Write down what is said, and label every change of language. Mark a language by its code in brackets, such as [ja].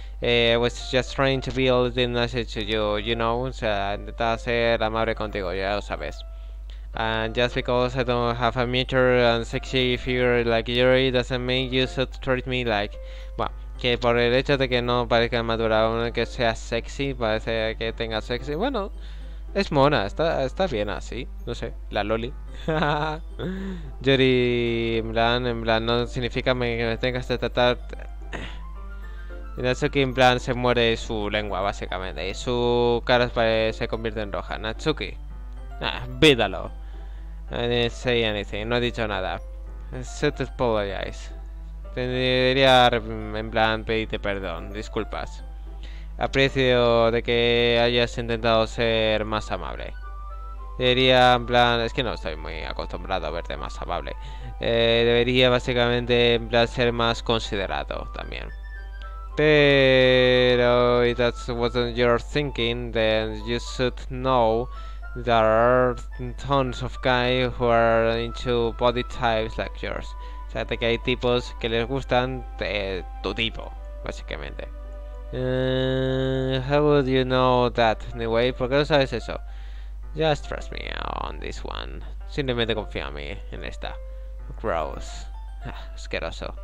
[en] I was just trying to be a little nice to you, you know. [es] O sea, intentaba ser amable contigo, ya lo sabes. [en] And just because I don't have a mature and sexy figure like you, it doesn't mean you should treat me like. [es] Bueno, que por el hecho de que no parezca madura, que sea sexy, parece que tenga sexy. Bueno, Es mona, está bien así. No sé, la loli. Yori, en plan, no significa que me tengas que tratar. Natsuki, en plan, se muere su lengua, básicamente. Y su cara se convierte en roja. Natsuki. Ah, vídalo. [en] I didn't say anything, [es] no he dicho nada. [en] Except to apologize. [es] Tendría, en plan, pedirte perdón, disculpas. Aprecio de que hayas intentado ser más amable. Debería, en plan, es que no estoy muy acostumbrado a verte más amable. Debería, básicamente, en plan, ser más considerado también. [en] Pero, if that wasn't your thinking, then you should know there are tons of guys who are into body types like yours. [es] O sea, de que hay tipos que les gustan de tu tipo, básicamente. [en] How would you know that anyway? [es] ¿Por qué no sabes eso? [en] Just trust me on this one. [es] Simplemente confía en mí en esta. [en] Gross. [es] Asqueroso.